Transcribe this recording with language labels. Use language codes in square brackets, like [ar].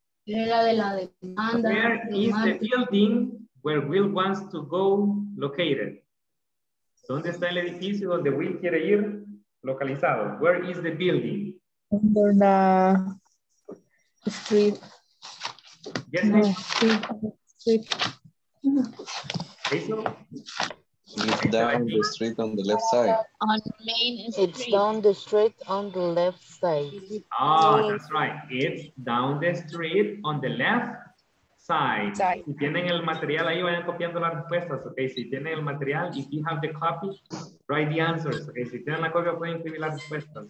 [en] Where is the building where Will wants to go located? [es] ¿Dónde está el edificio donde Will quiere ir localizado? [en] Where is the building? Under the street. Yes, no, street. It's down the street on the left side. On Main Street. It's down the street on the left side. Ah, oh, that's right. It's down the street on the left side. [es] Si tienen el material ahí, vayan copiando las respuestas. Okay, si tienen el material, [en] if you have the copy, write the answers. [es] Okay, si tienen la copia, pueden escribir las respuestas.